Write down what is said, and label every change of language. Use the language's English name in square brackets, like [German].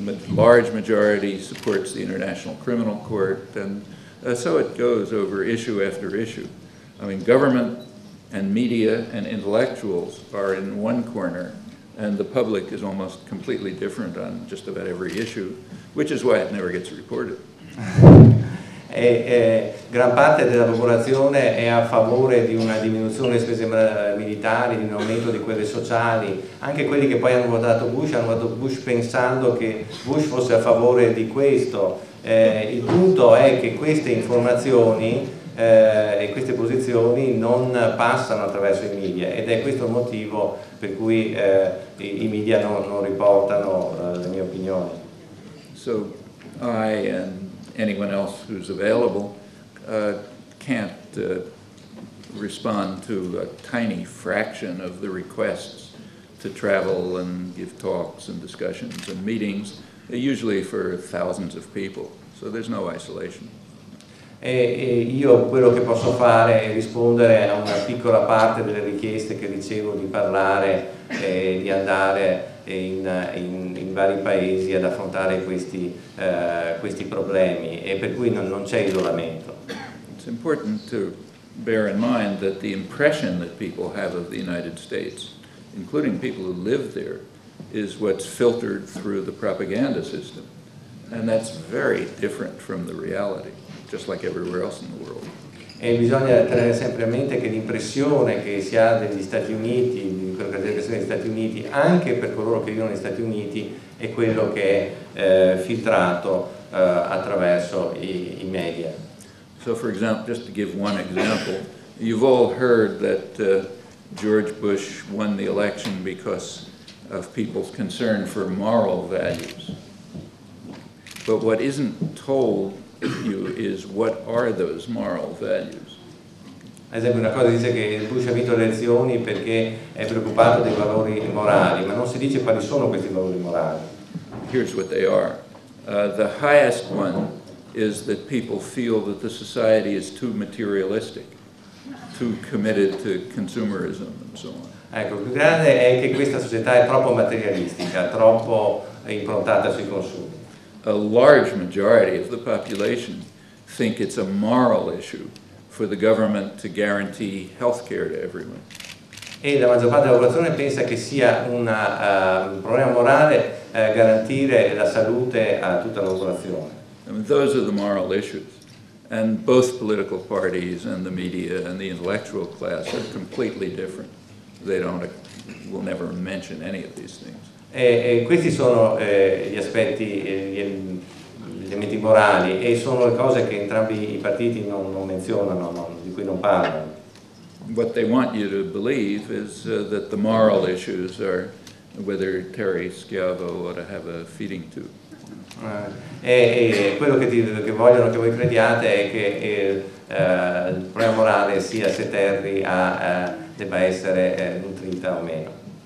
[English] Large majority supports the International Criminal Court, and so it goes over issue after issue. I mean, government and media and intellectuals are in one corner, and the public is almost completely different on just about every issue, which is why it never gets reported. [Italian] E gran parte della popolazione è a favore di una diminuzione delle spese militari, di un aumento di quelle sociali. Anche quelli che poi hanno votato Bush pensando che Bush fosse a favore di questo. Il punto è che queste informazioni e queste posizioni non passano attraverso i media, ed è questo il motivo per cui i media non riportano le mie opinioni. [English] So I and anyone else who's available can't respond to a tiny fraction of the requests to travel and give talks and discussions and meetings, usually for thousands of people. So there's no isolation. [Italian] E io quello che posso fare è rispondere a una piccola parte delle richieste che ricevo di parlare e di andare in vari paesi ad affrontare questi problemi, e per cui non c'è isolamento. [English] It's important to bear in mind that the impression that people have of the United States, including people who live there, is what's filtered through the propaganda system, and that's very different from the reality, just like everywhere else in the world. [Italian] E bisogna tenere sempre a mente che l'impressione che si ha degli Stati Uniti, di quello che deve essere gli Stati Uniti, anche per coloro che vivono negli Stati Uniti, è quello che è filtrato attraverso i media. [English] So for example, just to give one example, you've all heard that George Bush won the election because of people's concern for moral values. But what isn't told you is what are those moral values? [Italian] Ad esempio, una cosa dice che Bush ha vinto le elezioni perché è preoccupato dei valori morali, ma non si dice quali sono questi valori morali. [English] Here's what they are. The highest one is that people feel that the society is too materialistic, too committed to consumerism and so on. [Italian] Ecco, il più grande è che questa società è troppo materialistica, troppo improntata sui consumi. [English] A large majority of the population think it's a moral issue for the government to guarantee health care to everyone. [Italian] E la maggior parte della popolazione pensa che sia un problema morale garantire la salute a tutta la popolazione. [English] I mean, those are the moral issues. And both political parties and the media and the intellectual class are completely different. They will never mention any of these things. [Italian] E questi sono gli aspetti, gli elementi morali, e sono le cose che entrambi i partiti non menzionano, di cui non parlano. [English] What they want you to believe is that the moral issues are whether Terry Schiavo ought to have a feeding tube. [Italian] Quello che vogliono che voi crediate è che il problema morale sia se Terry debba essere nutrita o meno.